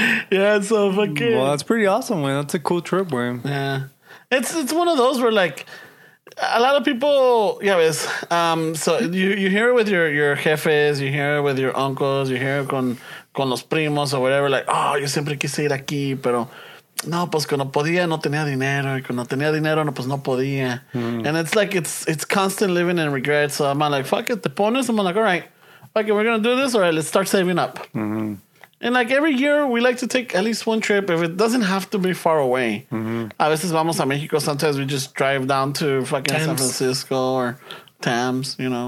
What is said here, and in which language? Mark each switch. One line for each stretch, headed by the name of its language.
English: Yeah, it's so fucking. Well, that's pretty awesome, man. That's a cool trip, man. Yeah, it's one of those where like a lot of people, yeah, it's so you hear it with your jefes, you hear it with your uncles, you hear it
Spanish: con los primos
English: or whatever.
Spanish: Like, oh, yo siempre quise ir aquí, pero. No, pues cuando podía no tenía dinero. Y cuando tenía dinero, no, pues no podía. Mm.
English: And it's like, it's constant living in regret. So I'm like, fuck it,
Spanish: te pones.
English: I'm like, all right, fuck it, we're going to do this. All right, let's start saving up. Mm-hmm. And like every year, we like to take at least one trip. If it doesn't have to be far away. Mm-hmm.
Spanish: A veces vamos a Mexico.
English: Sometimes we just drive down to fucking Tams. San Francisco or Tams, you know.